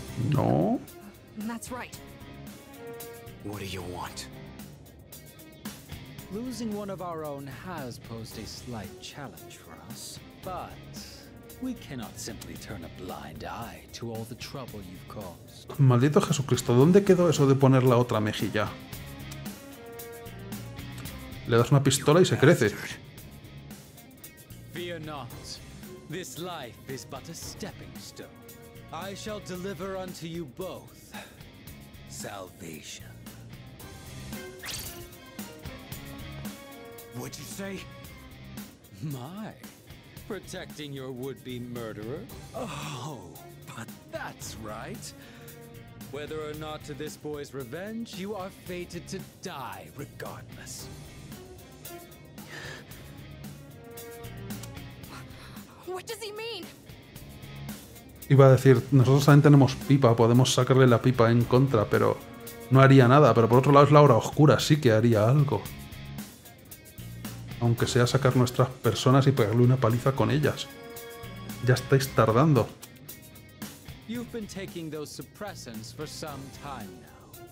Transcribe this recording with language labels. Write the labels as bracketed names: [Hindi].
[English] No. That's right. What do you want? Losing one of our own has posed a slight challenge for us, but we cannot simply turn a blind eye to all the trouble you've caused. [Spanish] Maldito Jesucristo, ¿dónde quedó eso de poner la otra mejilla? Le das una pistola y se crece. [English] Fear not. This life is but a stepping stone. I shall deliver unto you both salvation. What'd you say? My, protecting your would-be murderer? Oh, but that's right. Whether or not to this boy's revenge, you are fated to die regardless. What does he mean? [Spanish] Iba a decir, nosotros también tenemos pipa, podemos sacarle la pipa en contra, pero no haría nada. Pero por otro lado es la hora oscura, sí que haría algo. Aunque sea sacar nuestras personas y pegarle una paliza con ellas. Ya estáis tardando. [English] You've been taking those suppressants for some time now.